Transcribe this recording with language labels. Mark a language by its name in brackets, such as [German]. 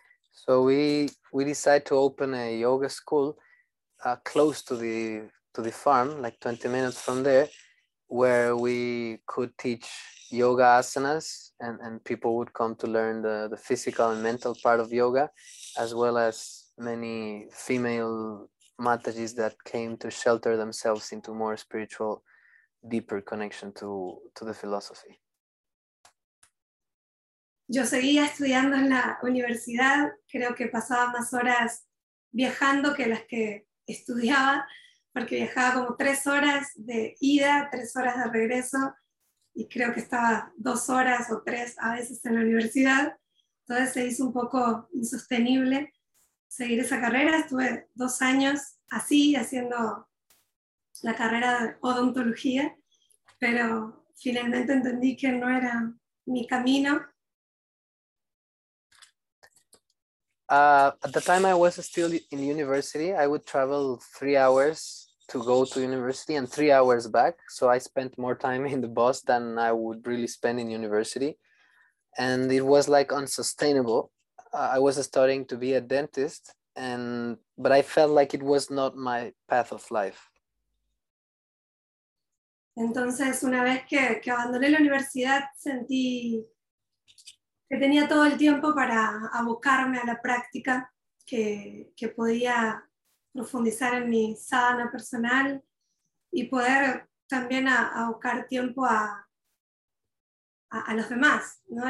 [English] So we decided to open a yoga school close to the farm, like 20 minutes from there, where we could teach yoga asanas, and people would come to learn the physical and mental part of yoga, as well as many female matajis that came to shelter themselves into more spiritual, deeper connection to the philosophy. [Spanish] Yo seguía estudiando en la universidad, creo que pasaba más horas viajando que las que estudiaba, porque viajaba como 3 horas de ida, 3 horas de regreso, y creo que estaba 2 horas o 3 a veces en la universidad. Entonces se hizo un poco insostenible seguir esa carrera. Estuve 2 años así, haciendo la carrera de odontología, pero finalmente entendí que no era mi camino. [English] At the time I was still in university, I would travel 3 hours to go to university and 3 hours back. So I spent more time in the bus than I would really spend in university. And it was like unsustainable. I was studying to be a dentist, but I felt like it was not my path of life. [Spanish] Entonces, una vez que abandoné la universidad, sentí que tenía todo el tiempo para abocarme a la práctica, que podía profundizar en mi sadhana personal y poder también abocar tiempo a los demás, ¿no?